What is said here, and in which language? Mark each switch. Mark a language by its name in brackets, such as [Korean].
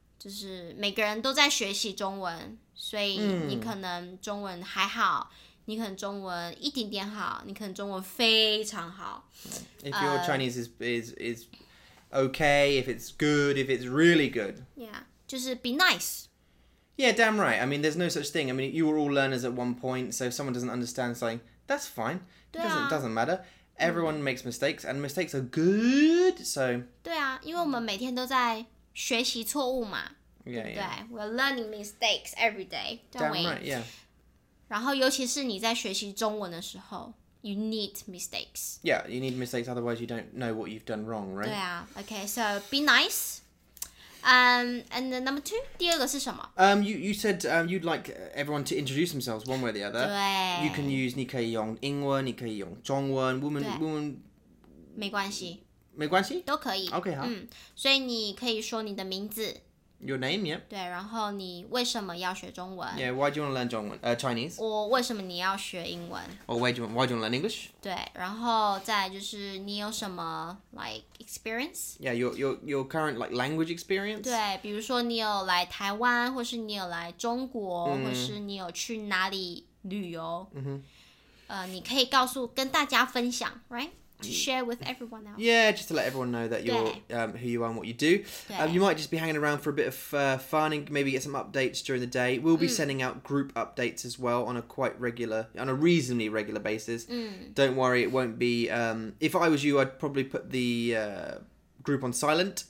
[Chinese] 就是每个人都在学习中文。所以你可能中文还好，你可能中文一点点好，你可能中文非常好。 [English] If your Chinese is okay, if it's good, if it's really good. Yeah, 就是 be nice. Yeah, damn right. I mean, there's no such thing. I mean, you were all learners at one point, so if someone doesn't understand something, that's fine. It doesn't matter. Everyone makes mistakes, and mistakes are good, so... [Chinese] 对啊，因为我们每天都在学习错误嘛。 [English] Yeah, 对, we're learning mistakes every day, don't we? Damn right, yeah. [Chinese] 然后尤其是你在学习中文的时候, [English] you need mistakes. Yeah, you need mistakes, otherwise you don't know what you've done wrong, right? 对啊, okay, so be nice. And then number two, [Chinese] 第二个是什么? [English] You said you'd like everyone to introduce themselves one way or the other. [Chinese] 对。 [English] You can use, [Chinese] 你可以用英文, 你可以用中文, 我们, 我们... 没关系。没关系? 都可以。 [English] Okay, 好。 [Chinese] 所以你可以说你的名字。 [English] Your name, yep. [Chinese] 对，然后你为什么要学中文？ [English] Yeah, why do you want to learn 中文？Chinese? [Chinese] 我为什么你要学英文？ [English] Or why do you want to learn English? [Chinese] 对，然后再就是你有什么 like experience? [English] Yeah, your current like language experience? [Chinese] 对，比如说你有来台湾，或是你有来中国，或是你有去哪里旅游？你可以告诉跟大家分享 ， [English] right? To share with everyone else. Yeah, just to let everyone know that you're who you are and what you do. You might just be hanging around for a bit of fun and maybe get some updates during the day. We'll be sending out group updates as well on a reasonably regular basis. Don't worry, it won't be... if I was you, I'd probably put the group on silent.